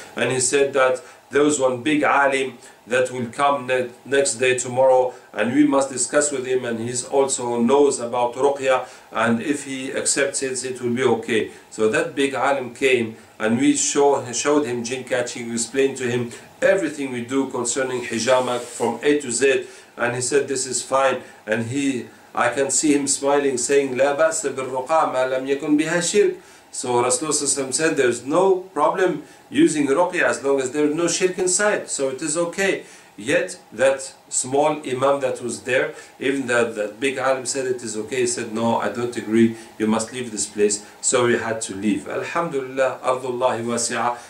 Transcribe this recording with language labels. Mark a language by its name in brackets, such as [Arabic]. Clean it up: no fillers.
[English] And he said that there was one big alim that will come next day tomorrow, and we must discuss with him, and he also knows about Ruqya, and if he accepts it, it will be okay. So that big alim came, and we showed him jinn catching, explained to him everything we do concerning hijama from A to Z, and he said, this is fine. And I can see him smiling, saying, [Arabic] لَا بَأْسَ بِالرُّقَى مَا لَمْ يَكُنْ بِهَا شِرْكِ. [English] So Rasulullah said, there's no problem using Ruqya as long as there's no shirk inside. So it is okay. Yet that small imam that was there, even that big alim said it is okay, he said, no, I don't agree, you must leave this place. So we had to leave. Alhamdulillah, أَرْضُ wasi'a.